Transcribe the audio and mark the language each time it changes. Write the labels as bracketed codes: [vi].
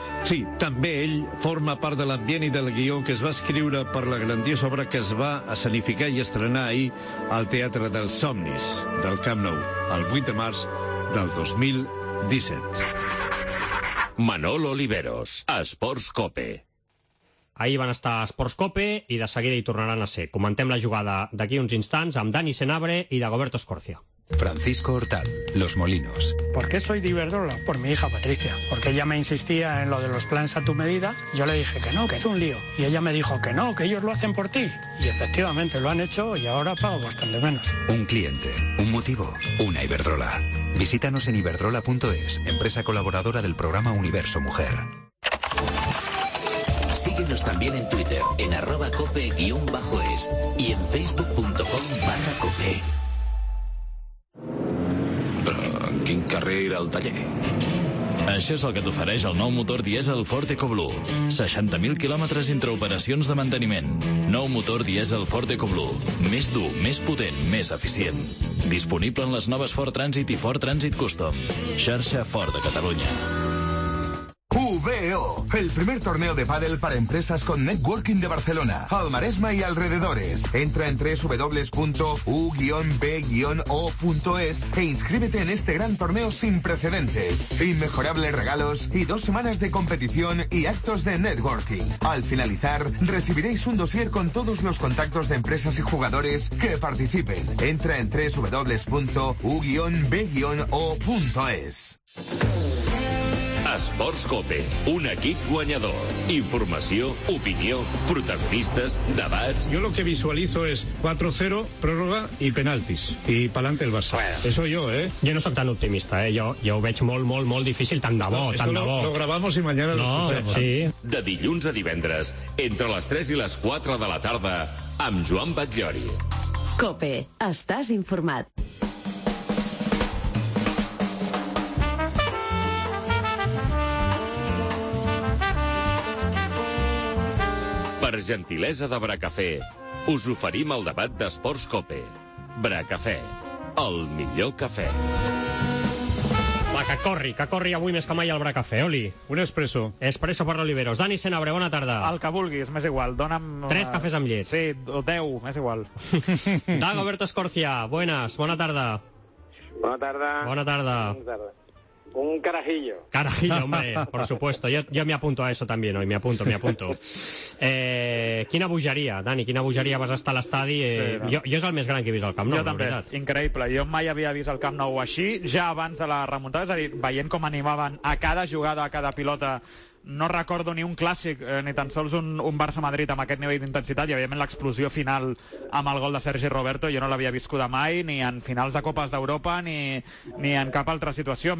[ca] Sí, també ell forma part de l'ambient i del guió que es va escriure per la grandiosa obra que es va escenificar i estrenar ahir al Teatre dels Somnis del Camp Nou, el 8 de març del 2017. Manol Oliveros, Esports Cope. Ahir van estar a Esports Cope i de seguida hi tornaran a ser. Comentem la jugada d'aquí uns instants amb Dani Senabre i Dagoberto Escorcia. [es] Francisco Hortal, Los Molinos. ¿Por qué soy de Iberdrola? Por mi hija Patricia. Porque ella me insistía en lo de los planes a tu medida. Yo le dije que no, que es un lío. Y ella me dijo que no, que ellos lo hacen por ti. Y efectivamente lo han hecho y ahora pago bastante menos. Un cliente, un motivo, una Iberdrola. Visítanos en iberdrola.es, empresa colaboradora del programa Universo Mujer. Síguenos también en Twitter, en @cope-es y en facebook.com/cope. [ca] Quin carrer al taller. Això és el que t'ofereix el nou motor dièsel Ford EcoBlue. 60.000 quilòmetres entre operacions de manteniment. Nou motor dièsel Ford EcoBlue. Més dur, més potent, més eficient. Disponible en les noves Ford Transit i Ford Transit Custom. Xarxa Ford de Catalunya. [es] VEO, el primer torneo de pádel para empresas con networking de Barcelona, al Maresme y alrededores. Entra en www.u-b-o.es e inscríbete en este gran torneo sin precedentes. Inmejorables regalos y dos semanas de competición y actos de networking. Al finalizar, recibiréis un dossier con todos los contactos de empresas y jugadores que participen. Entra en www.u-b-o.es. [ca] Esports Cope, un equip guanyador. Informació, opinió, protagonistes, debats... [es] Yo lo que visualizo es 4-0, pròrroga y penaltis. Y pa'lante el Barça. Bueno. Eso yo, ¿eh? Yo no soy tan optimista, ¿eh? [ca] Yo ho veig molt, molt, molt difícil. Tant de bo, no, tant de bo. [es] Lo grabamos y mañana no, lo escuchamos. Sí. [ca] De dilluns a divendres, entre les 3 i les 4 de la tarda, amb Joan Batllori. Cope, estàs informat. Per gentilesa de Bracafé, us oferim el debat d'Esports Cope. Bracafé, el millor cafè. Va, que corri avui més que mai el Bracafé, Oli. Un espresso. Espresso per l'Oliveros. Dani Senabre, bona tarda. El que vulguis, m'és igual. Dóna'm... Tres cafès amb llet. Sí, o 10, m'és igual. Dagoberto Escorcia, buenas, bona tarda. Bona tarda. Bona tarda. Bona tarda. Un carajillo. [es] Carajillo, hombre, por supuesto. Yo me apunto a eso también hoy, me apunto. [ca] Quina bogeria, Dani, quina bogeria, vas estar a l'estadi. Sí, jo és el més gran que he vist al Camp Nou, la veritat. Increïble, jo mai havia vist el Camp Nou així, ja abans de la remuntada, és a dir, veient com animaven a cada jugada, a cada pilota. No recordo ni un clàssic, ni tan sols un Barça-Madrid amb aquest nivell d'intensitat, i evidentment l'explosió final amb el gol de Sergi Roberto, jo no l'havia viscut mai, ni en finals de Copes d'Europa, ni en cap altra situació.